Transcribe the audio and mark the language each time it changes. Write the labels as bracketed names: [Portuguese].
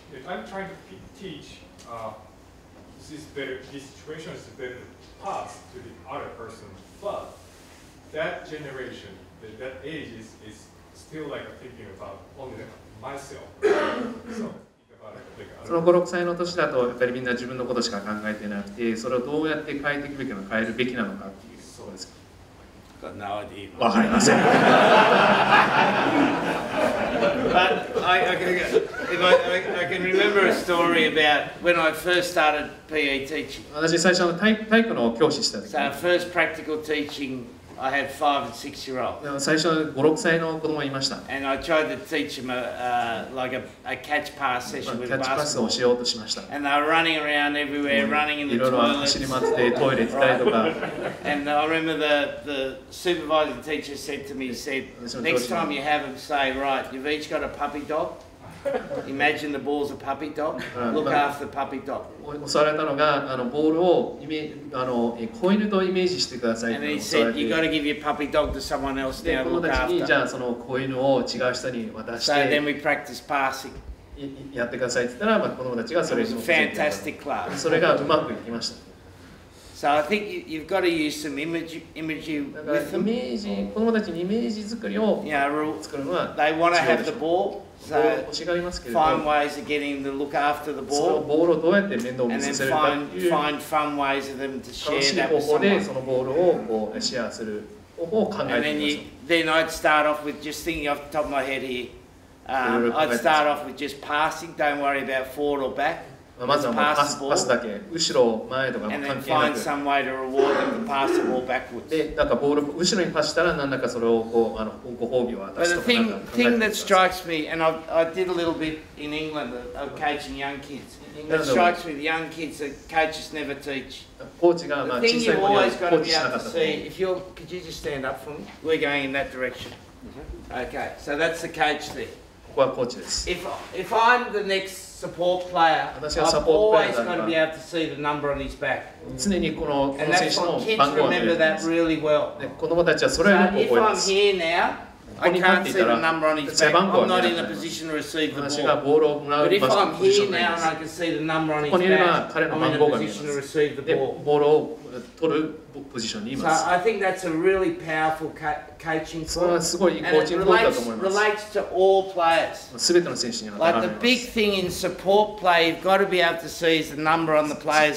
[English] If I'm trying to teach this situation is better passed to the other person, but that generation, that age is still like thinking about only the. [Japanese] その5、6歳の年だとやっぱりみんな自分のことしか考えてなくてそれをどうやって変えていくべきなのか変えるべきなのかっていうそうですか [English] Now I do. [Japanese] わかりません [English] But I can remember a story about when I first started PE teaching. [Japanese] 私最初の体育の教師した時 [English] So first practical teaching I had 5 and 6 year olds. [Japanese] でも最初は5、6歳の子供がいました。 [English] And I tried to teach them a catch pass session with basketball. [Japanese] キャッチパスをしようとしました。 [English] And they were running around everywhere, running in the toilets. [Japanese] いろいろ走り回ってトイレ行ったりとか。 [English] And I remember the supervising teacher said to me, he said, next time you have them say, right, you've each got a puppy dog. Imagine the ball's a puppy dog. Look after the puppy dog. [Japanese] 教わられたのが、あのボールをイメージ、あの子犬とイメージしてください。 [English] And he said, you got to give your puppy dog to someone else now. Look after. [Japanese] 子供たちにじゃあその子犬を違う人に渡して。 [English] So then we practice passing. [Japanese] やってくださいって言ったら、まあ子供たちがそれを。 [English] Fantastic class. [Japanese] それがうまくいきました。 [English] So I think you've got to use some imagery with them. [Japanese] イメージ、子供たちにイメージ作りを作るのは、 [English] they want to have the ball. So, find ways of getting them to look after the ball. [Japanese] そのボールをどうやって面倒見せるかという。 [English] Find fun ways of them to share that with someone. [Japanese] 楽しい方法でそのボールをシェアする方法を考えてみましょう。 [English] Then I'd start off with just thinking off the top of my head here. I'd start off with just passing. Don't worry about forward or back. [Japanese] まずはもうパスだけ。後ろ前とかも関係なく。 [English] And then find some way to reward them to pass the ball backwards. [Japanese] で、なんかボール後ろにパスしたらなんだかそれをこうあのご褒美を渡すとか。 [English] But the thing that strikes me, and I did a little bit in England of coaching young kids. That strikes me, the young kids that coaches never teach. [Japanese] コーチがまあ小さい子にはコーチしなかった。 [English] The thing you've always got to be able to see, if you're, could you just stand up for me? We're going in that direction. Okay, so that's the coach there. [Japanese] ここはコーチです。 [English] If I'm the next support player, I've always got to be able to see the number on his back. [Japanese] 常にこの選手の番号を見ています。 [English] Kids remember that really well. [Japanese] 子供たちはそれをよく覚えます。 [English] If I'm here now, I can't see the number on his back. I'm not in a position to receive the ball. [Japanese] 私がボールをもらう場所ポジションです。 [English] But if I'm here now and I can see the number on his back, I'm in a position to receive the ball. [Japanese] ボールを取るポジションにいます。 [English] So I think that's a really powerful coaching tool. [Japanese] それはすごいいいコーチングだと思います。 [English] Relates to all players. [Japanese] すべての選手に当たります。 [English] Like the big thing in support play, you've got to be able to see is the number on the player's back.